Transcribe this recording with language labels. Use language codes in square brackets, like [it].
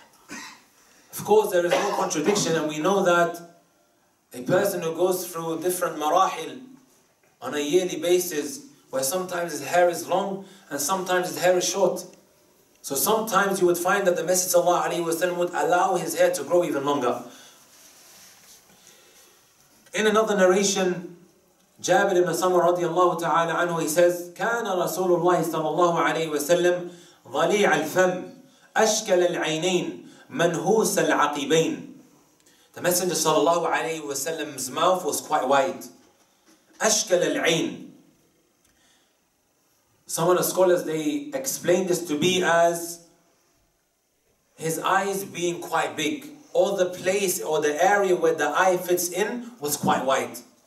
[en] Of course, there is no contradiction, and we know that a person who goes through different marahil on a yearly basis, where sometimes his hair is long and sometimes his hair is short. So sometimes you would find that the Messenger sallallahu alayhi wa sallam would allow his hair to grow even longer. In another narration, Jabir ibn Samurah radiallahu ta'ala anhu, he says, [ar] كَانَ رَسُولُ اللَّهِ صَلَى اللَّهُ عَلَيْهِ وَسَلَّمْ ظَلِيعَ الْفَمْ أَشْكَلَ الْعَيْنَيْنِ مَنْهُوسَ الْعَقِبَيْنِ. [en] The Messenger صلى الله عليه وسلم's mouth was quite wide. [ar] أَشْكَلَ الْعَيْنِ. [en] Some of the scholars, they explain this to be as his eyes being quite big. All the place or the area where the eye fits in was quite wide.